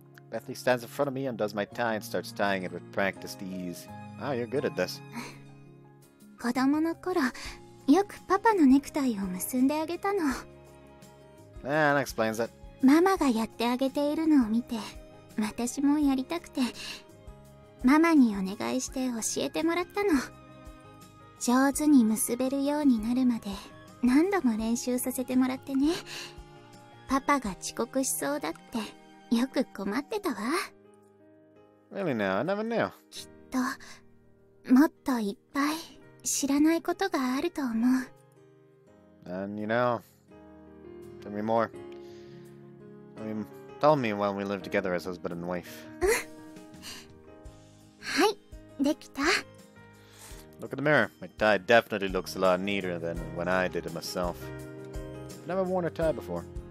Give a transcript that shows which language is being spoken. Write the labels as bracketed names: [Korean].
[English] Bethly stands in front of me and does my tie and starts tying it with practiced ease. Wow, you're good at this. [Japanese] 子供の頃よくパパのネクタイを結んであげたの。 [English] That explains it. [Japanese] ママがやってあげているのを見て、私もやりたくて、ママにお願いして教えてもらったの。上手に結べるようになるまで、何度も練習させてもらってね。パパが遅刻しそうだって、よく困ってたわ。 [English] Really now, I never knew. [Japanese] きっと、もっといっぱい。知らないことがあると思う。 [English] And you know, tell me more. I mean, tell me when we live together as husband and wife. [Japanese] はい、できた。 [English] Look at the mirror. My tie definitely looks a lot neater than when I did it myself. I've never worn a tie before.